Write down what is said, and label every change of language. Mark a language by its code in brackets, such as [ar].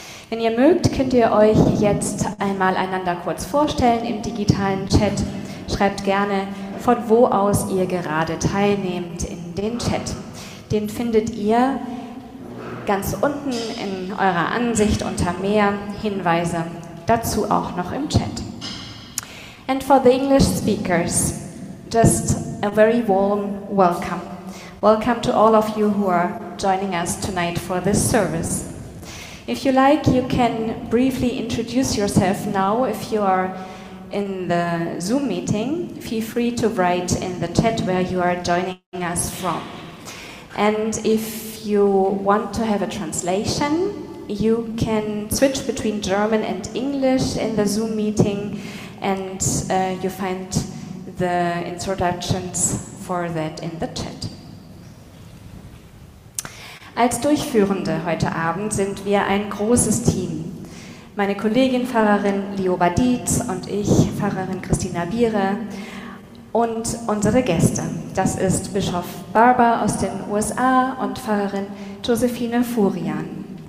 [de] Wenn ihr mögt, könnt ihr euch jetzt einmal einander kurz vorstellen im digitalen Chat. Schreibt gerne, von wo aus ihr gerade teilnehmt, in den Chat. Den findet ihr ganz unten in eurer Ansicht unter mehr Hinweise, dazu auch noch im Chat. [en] And for the English speakers, just a very warm welcome. Welcome to all of you who are joining us tonight for this service. If you like, you can briefly introduce yourself now. If you are in the Zoom meeting, feel free to write in the chat where you are joining us from. And if you want to have a translation, you can switch between German and English in the Zoom meeting, and you find the introductions for that in the chat. [de] Als Durchführende heute Abend sind wir ein großes Team. Meine Kollegin Pfarrerin Lioba Dietz und ich, Pfarrerin Christina Biere, und unsere Gäste. Das ist Bischof Barber aus den USA und Pfarrerin Josephine Furian.